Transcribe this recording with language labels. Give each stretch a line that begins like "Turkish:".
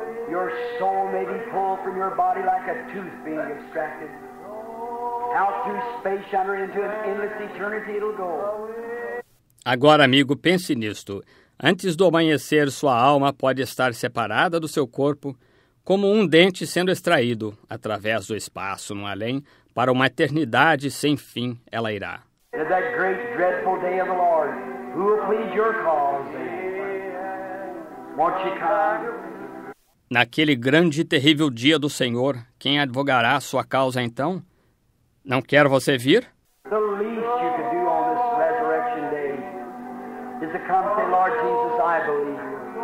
English: Your soul may be pulled from your body like a tooth being extracted. Out through space under into an endless eternity it'll go.
Portuguese: Agora, amigo, pense nisto. Antes do amanhecer, sua alma pode estar separada do seu corpo, como um dente sendo extraído através do espaço no além, para uma eternidade sem fim ela irá.
English: At that great dreadful day of the Lord, who will plead your cause? Won't you come?
Portuguese: Naquele grande e terrível dia do Senhor, quem advogará a sua causa então? Não quer você vir?
English: The least you could do on this resurrection day is to come and say, Lord Jesus, I believe you.